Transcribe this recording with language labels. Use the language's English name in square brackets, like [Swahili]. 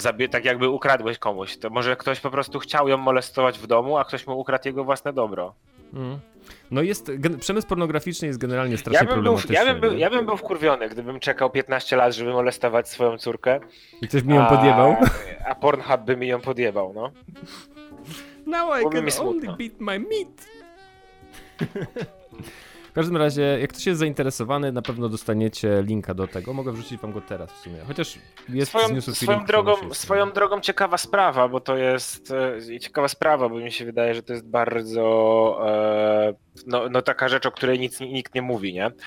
[Polish] Tak jakby ukradłeś komuś. To może ktoś po prostu chciał ją molestować w domu, a ktoś mu ukradł jego własne dobro. No jest, przemysł pornograficzny jest generalnie strasznie problematyczny. Ja bym był wkurwiony, gdybym czekał 15 lat, żeby molestować swoją córkę. I ktoś mi ją podjebał. A Pornhub by mi ją podjebał, no. [English] Now I can only beat my meat. [Polish] W każdym razie, jak ktoś jest zainteresowany, na pewno dostaniecie linka do tego. Mogę wrzucić wam go teraz w sumie. Chociaż jest swoją drogą ciekawa sprawa, bo to jest ciekawa sprawa, bo mi się wydaje, że to jest bardzo taka rzecz, o której nikt nie mówi, nie?